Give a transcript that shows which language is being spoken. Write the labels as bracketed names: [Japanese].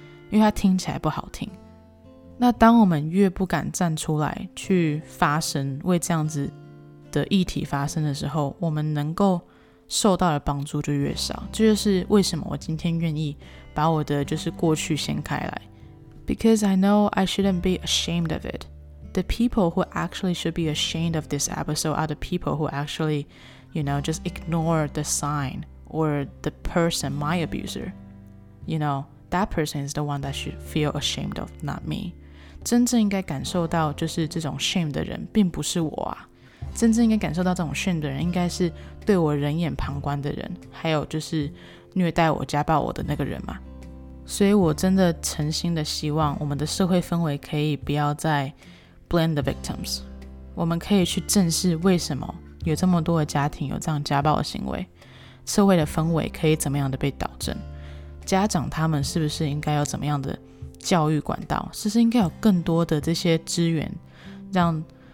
[Chinese] 因为他听起来不好听。那当我们越不敢站出来去发声，为这样子的议题发声的时候，我们能够受到的帮助就越少。这就是为什么我今天愿意把我的就是过去掀开来， [English] Because I know I shouldn't be ashamed of itThe people who actually should be ashamed of this episode are the people who actually, you know, just ignore the sign or the person, my abuser. You know, that person is the one that should feel ashamed of, not me. [Chinese] 真正应该感受到就是这种 shame 的人并不是我啊。真正应该感受到这种 shame 的人应该是对我人眼旁观的人，还有就是虐待我家暴我的那个人嘛。所以我真的诚心的希望我们的社会氛围可以不要再 [English] blame the victims， [Chinese] 我们可以去正视为什么有这么多的家庭有这样家暴的行为，社会的氛围可以怎么样的被导正，家长他们是不是应该有怎么样的教育管道，是不是应该有更多的这些资源让